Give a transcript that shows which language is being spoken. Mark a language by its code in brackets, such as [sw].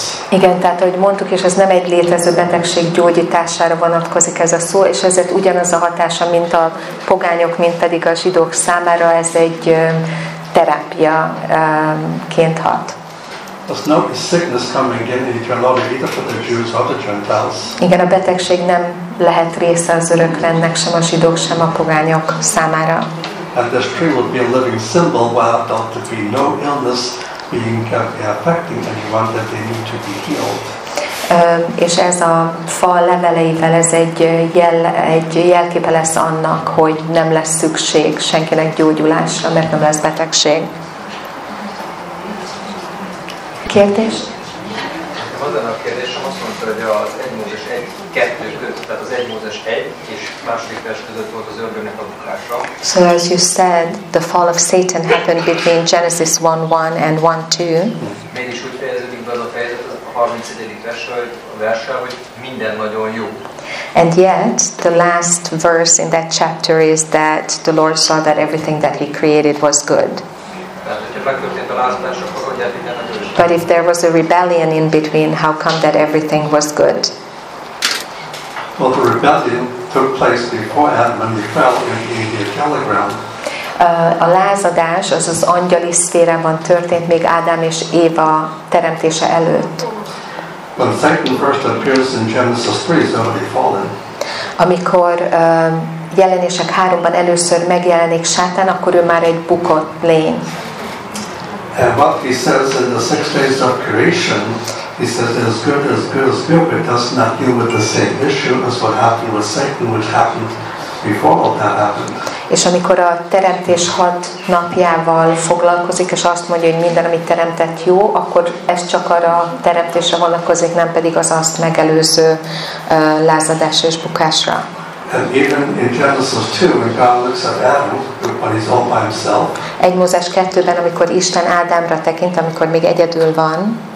[hu] Igen, tehát ahogy mondtuk, és ez nem egy létező betegség gyógyítására vonatkozik ez a szó, és ezért ugyanaz a hatása, mint a pogányok, mint pedig a zsidók számára, ez egy terápiaként hat. [en] Okay, There's no sickness coming in eternal life either for the Jews or the Gentiles. [hu] Igen, a betegség nem lehet része az öröklennek, sem a zsidók, sem a pogányok számára. [en] And this tree will be a living symbol, while there will be no illness being affecting anyone that they need to be healed. [hu] És ez a fa leveleivel ez egy jelképe lesz annak, hogy nem lesz szükség senkinek gyógyulásra, mert nem lesz betegség. Kérdés? Nekem az lenne a kérdésem, azt mondta, hogy az 1 Mózes 1:2 között, tehát az 1 Mózes 1 és 2 vers között volt az ördögnek a bukása. [en] So as you said, the fall of Satan happened between Genesis 1:1 and 1:2. [hu] Mégis úgy fejeződik be az a fejezet a 31. verssel, hogy minden nagyon jó. [en] And yet, the last verse in that chapter is that the Lord saw that everything that he created was good. [hu] Tehát, hogyha megtörtént a [en] last verse, [hu] akkor hogy jelenti nem? [en] But if there was a rebellion in between, how come that everything was good? Well, the rebellion took place before Adam and he fell in the angelic realm. [hu] A lázadás, azaz angyali szférában történt még Ádám és Éva teremtése előtt. [en] When Satan first appears in Genesis 3, he's already fallen. [hu] Amikor Jelenések 3-ban először megjelenik Sátán, akkor ő már egy bukott lény. [en] And what he says in the 6 days of creation, he says it is good, it is good, it is good, but it does not deal with the same issue as what happened with Satan, which happened before all that happened. [hu] És amikor a teremtés 6 napjával foglalkozik, és azt mondja, hogy minden, amit teremtett, jó, akkor ez csak arra a teremtésre vonatkozik, nem pedig az azt megelőző lázadásra és bukásra. [en] And even in Genesis 2, when God looks at Adam, when he's all by himself. [hu] 1 Mózes 2-ben, amikor Isten Ádámra tekint, amikor még egyedül van.